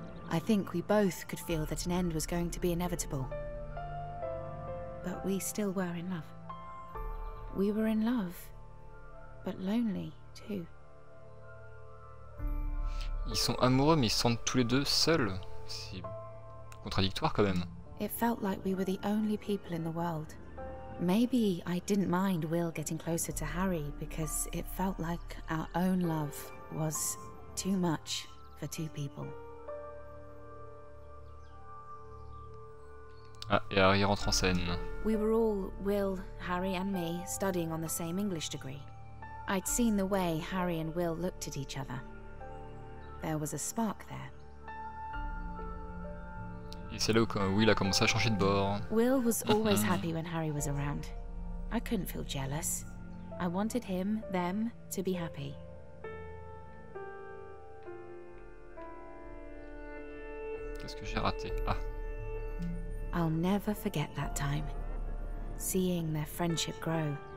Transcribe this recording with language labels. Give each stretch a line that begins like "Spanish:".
English: I think we both could feel that an end was going to be inevitable. But we still were in love. We were in love, but lonely too.
French: Ils sont amoureux, mais ils sont tous les deux seuls. C'est contradictoire quand même.
English: It felt like we were the only people in the world. Maybe I didn't mind Will getting closer to Harry because it felt like our own love was too much for two people.
French: Ah, et Harry rentre en scène.
English: We were all, Will, Harry and me, studying on the same English degree. I'd seen the way Harry and Will looked at each other. There was a spark there.
French: Et c'est là où Will a commencé à changer de bord.
English: Will was always happy when Harry was around. I couldn't feel jealous. I wanted him, them, to be happy.
French: Qu'est-ce que j'ai raté? Ah.
English: I'll never forget that time. Seeing their friendship grow.